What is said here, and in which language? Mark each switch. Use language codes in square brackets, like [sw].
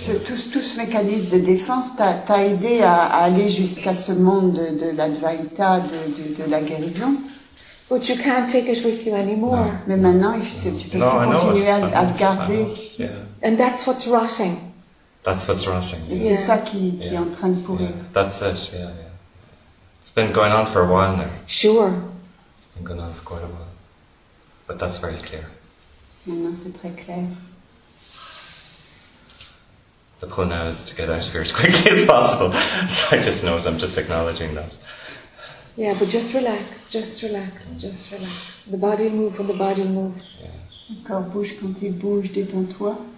[fr] Tout ce mécanisme de défense t'a aidé à aller jusqu'à ce monde de l'Advaita, de la guérison. [en] But you can't take it with you anymore. No. [fr] Mais maintenant, tu peux continuer à le garder. [en] Yeah. And that's what's rotting. That's what's rotting. [fr] Et c'est ça qui est en train de pourrir. [en] Yeah. That's it, yeah, yeah. It's been going on for a while now. Sure. It's been going on for quite a while. But that's very clear. [fr] Maintenant, c'est très clair. [en] The pull now is to get out of here as quickly as possible. So I just know, I'm just acknowledging that. Yeah, but just relax, just relax, just relax. The body will move when the body will move. [fr] Le corps bouge quand il bouge, détends-toi.